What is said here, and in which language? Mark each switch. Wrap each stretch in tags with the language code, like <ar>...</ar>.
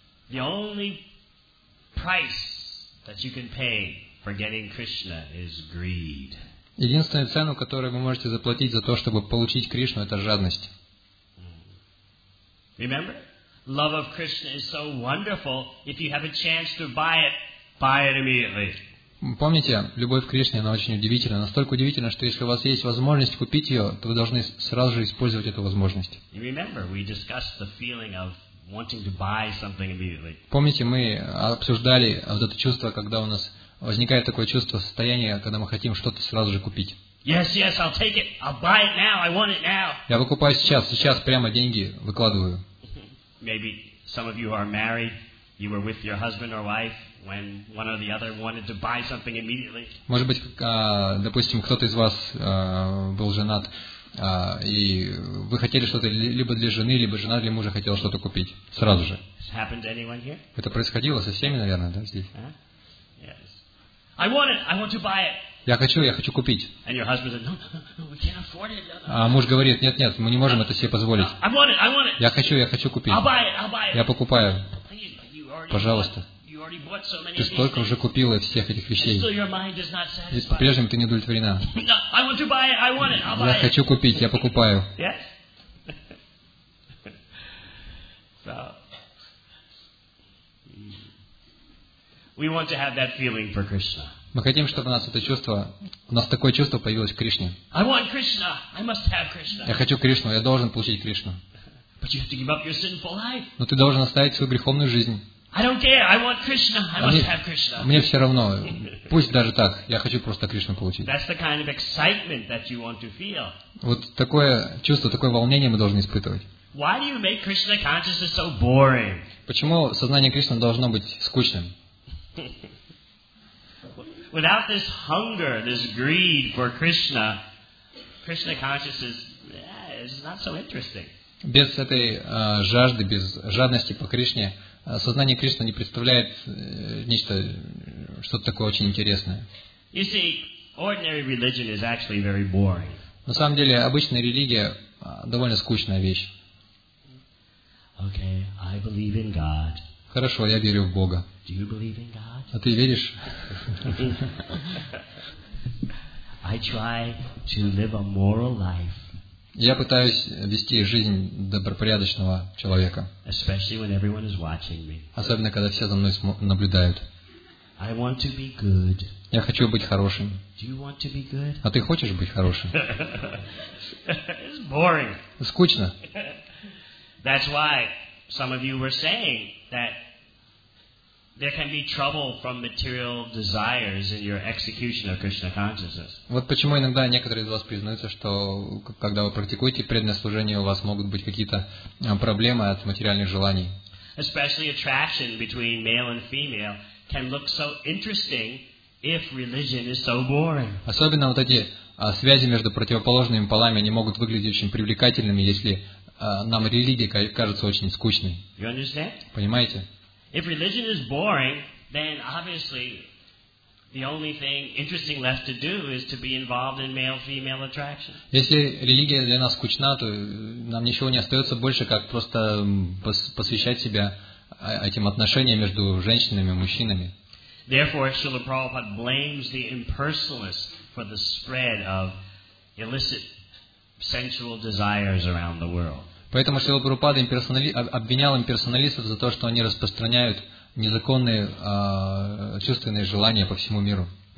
<en>The only price that you can pay for getting Krishna is greed.</en> <ru>Единственная цена, которую вы можете заплатить за то, чтобы получить Кришну, это жадность.</ru> <en>Remember? Love of Krishna is so wonderful. If you have a chance to buy it immediately.</en> <ru>Помните, любовь к Кришне, она очень удивительна. Настолько удивительна, что если у вас есть возможность купить ее, то вы должны сразу же использовать эту возможность.</ru> <en>Remember, we discussed the feeling of wanting to buy something immediately.</en> <ru>Помните, мы обсуждали вот это чувство, когда у нас возникает такое чувство, состояние, когда мы хотим что-то сразу же купить.</ru> <en>Yes, I'll take it. I'll buy it now. I want it now.</en> <ru>Я выкупаю сейчас. Сейчас прямо деньги выкладываю.</ru> <en>Maybe some of you are married. You were with your husband or wife when one or the other wanted to buy something immediately.</en> <ru>Может быть, допустим, кто-то из вас был женат, и вы хотели что-то либо для жены, либо жена для мужа хотела что-то купить сразу же.</ru> <en>Has happened to anyone here?</en> <ru>Это происходило со всеми, наверное, да, здесь?</ru> <en>Yes. I want it. I want to buy it.</en> <ru>Я хочу купить.</ru> <en>And your husband said, no, we can't afford it.</en> <ru>А муж говорит, нет, мы не можем это себе позволить.</ru> <en>I want it, I want it.</en> <ru>Я хочу купить.</ru> <en>I'll buy it.</en> <ru>Я покупаю.</ru> <en>Please,</en> <ru>пожалуйста.</ru> <en>So</en> <ru>ты столько уже купил всех этих вещей. И по-прежнему ты не удовлетворена.</ru> <en>No, I want to buy it, I want it, I'll buy</en> <ru>я</ru> <en>it.</en> <ru>Хочу купить, я покупаю.</ru> <en>Yes? So, we want to have that feeling for Krishna.</en> <ru>Мы хотим, чтобы у нас такое чувство появилось в Кришне.</ru> <en>I want Krishna. I must have Krishna.</en> <ru>Я хочу Кришну, я должен получить Кришну.</ru> <en>But you have to give up your sinful life.</en> <ru>Но ты должен оставить свою греховную жизнь.</ru> <en>I don't care. I want Krishna. Must have Krishna.</en> <ru>Мне все равно. Пусть даже так. Я хочу просто Кришну получить.</ru> <en>That's the kind of excitement that you want to feel.</en> <ru>Вот такое чувство, такое волнение мы должны испытывать.</ru> <en>Why do you make Krishna consciousness so boring?</en> <ru>Почему сознание Кришны должно быть скучным?</ru> <en>Without this hunger, this greed for Krishna, Krishna consciousness is not so interesting.</en> <ru>Без этой жажды, без жадности по Кришне, сознание Кришны не представляет нечто, что-то такое очень интересное.</ru> <en>You see, ordinary religion is actually very boring.</en> <ru>На самом деле, обычная религия довольно скучная вещь.</ru> <en>Okay, I believe in God.</en> <ru>Хорошо, я верю в Бога.</ru> <en>Do you believe in God?</en> <ru>А ты веришь?</ru> <en>I try to live a moral life.</en> <ru>Я пытаюсь вести жизнь добропорядочного человека.</ru> <en>Especially when everyone is watching me.</en> <ru>Особенно, когда все за мной наблюдают.</ru> <en>I want to be good.</en> <ru>Я хочу быть хорошим.</ru> <en>Do you want to be good?</en> <ru>А ты хочешь быть хорошим?</ru> <en>It's boring.</en> <ru>Скучно.</ru> <en>That's why some of you were saying that there can be trouble from material desires in your execution of Krishna consciousness.</en> <ru>Вот почему иногда некоторые из вас признаются, что когда вы практикуете преданное служение, у вас могут быть какие-то проблемы от материальных желаний.</ru> <en>Especially attraction between male and female can look so interesting if religion is so boring.</en> <ru>Особенно вот эти связи между противоположными полами, они могут выглядеть очень привлекательными, если нам религия кажется очень скучной.</ru> <en>You understand?</en> <ru>Понимаете?</ru> <en>If religion is boring, then obviously the only thing interesting left to do is to be involved in male-female attraction.</en> <ru>Если религия для нас скучна, то нам ничего не остается больше, как просто посвящать себя этим отношениям между женщинами и мужчинами.</ru> <en>Therefore, Srila Prabhupada blames the impersonalists for the spread of illicit sensual desires around the world.</en> <ru>Поэтому Шрила Прабхупада обвинял имперсоналистов за то, что они распространяют незаконные чувственные желания по всему миру.</ru>